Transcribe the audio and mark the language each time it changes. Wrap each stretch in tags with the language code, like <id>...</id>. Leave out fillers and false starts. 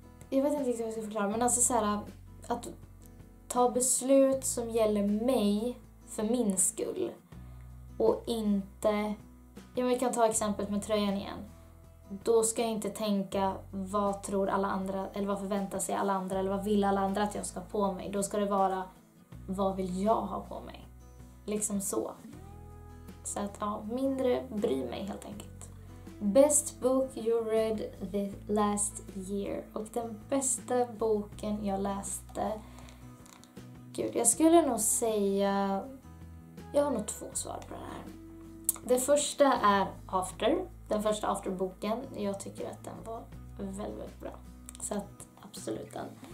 <sv>Jag vet inte riktigt hur jag ska förklara, men alltså så här, att ta beslut som gäller mig för min skull och inte, ja men vi kan ta exemplet med tröjan igen, då ska jag inte tänka vad tror alla andra eller vad förväntar sig alla andra eller vad vill alla andra att jag ska ha på mig, då ska det vara vad vill jag ha på mig liksom. Så att ja, mindre bry mig helt enkelt.</sv> <en>Best book you read the last year.</en> <sv>Och den bästa boken jag läste, gud, jag skulle nog säga, jag har nog två svar på det här. Det första är After. Den första After-boken. Jag tycker att den var väldigt, väldigt bra. Så att, absolut den.</sv>